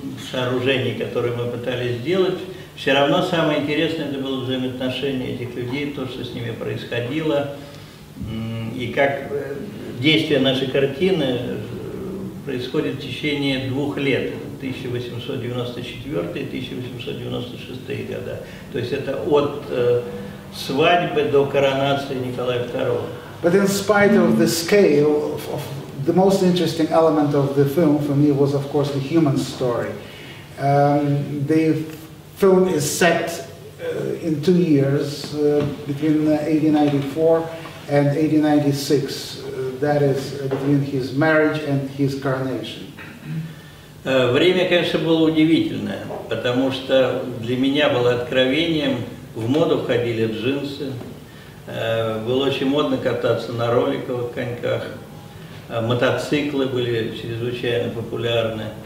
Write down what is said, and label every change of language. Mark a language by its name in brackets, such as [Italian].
[Russian] сооружений, которые мы пытались сделать, все равно самое интересное это было взаимоотношение этих людей, то, что с ними происходило, и как действие нашей картины происходит в течение 2 лет, 1894-1896 года. То есть это от свадьбы до коронации Николая II. [English] But in spite of the scale, of the most interesting element of the film for me was, of course, the human story. The film is set in 2 years, between 1894 and 1896. That is between his marriage and his coronation. [Russian] Время, конечно, было удивительное, потому что для меня было откровением. В моду входили джинсы, было очень модно кататься на роликовых коньках, мотоциклы были чрезвычайно популярны.